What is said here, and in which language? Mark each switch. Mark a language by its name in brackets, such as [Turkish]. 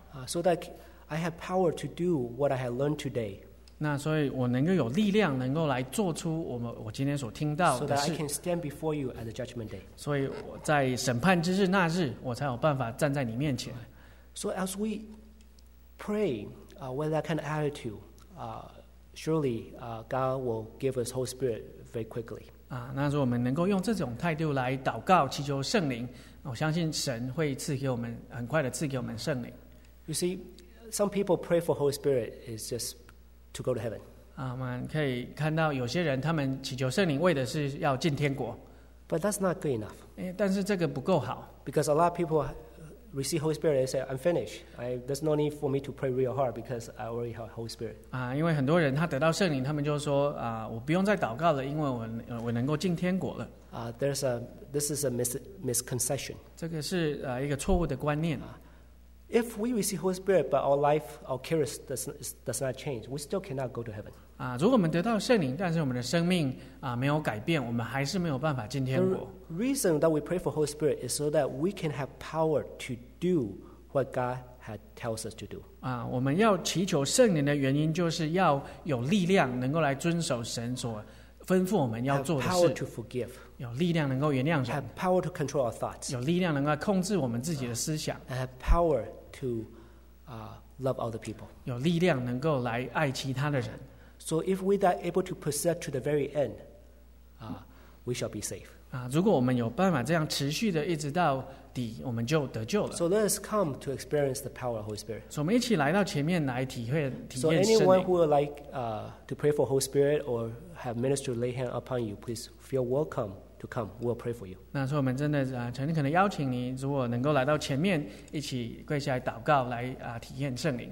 [English] So that I have power to do what I have learned today. [Chinese] 那所以我能够有力量能够来做出我今天所听到的事。 [English] So that I can stand before you at the judgment day. [Chinese] 所以我在审判之日那日，我才有办法站在你面前。 [English] So as we pray with that kind of attitude, surely God will give His Holy Spirit very quickly. [Chinese] 那如果我们能够用这种态度来祷告祈求圣灵，我相信神会赐给我们很快的赐给我们圣灵。 [English] You see, some people pray for Holy Spirit is just to go to heaven. [Chinese] 我们可以看到有些人他们祈求圣灵为的是要进天国。 [English] But that's not good enough. [Chinese] 但是这个不够好。 [English] Because a lot of people receive Holy Spirit and say, I'm finished. There's no need for me to pray real hard because I already have Holy Spirit. [Chinese] 因为很多人他得到圣灵，他们就说，我不用再祷告了，因为我能够进天国了。 [English] This is a misconception. [Chinese] 这个是一个错误的观念。 [English] If we receive Holy Spirit, but our life, our character does not change, we still cannot go to heaven. [Chinese] 如果我们得到圣灵，但是我们的生命没有改变，我们还是没有办法进天国。 [English] The reason that we pray for Holy Spirit is so that we can have power to do what God had tells us to do. [Chinese] 我们要祈求圣灵的原因就是要有力量，能够来遵守神所吩咐我们要做的事。 [English] Have power to forgive. [Chinese] 有力量能够原谅人。 [English] Have power to control our thoughts. [Chinese] 有力量能够控制我们自己的思想。 [English] And have power to love other people. [Chinese] 有力量能够来爱其他的人。 [English] So if we are able to persist to the very end, we shall be safe. [Chinese] 如果我们有办法这样持续的一直到底，我们就得救了。 [English] So let us come to experience the power of Holy Spirit. [Chinese] 我们一起来到前面来体验圣灵。 [English] So anyone who would like to pray for Holy Spirit or have ministry lay hand upon you, please feel welcome. To come, we'll pray for you. [Chinese] 那所以我们真的诚恳的邀请你，如果能够来到前面，一起跪下来祷告，来体验圣灵。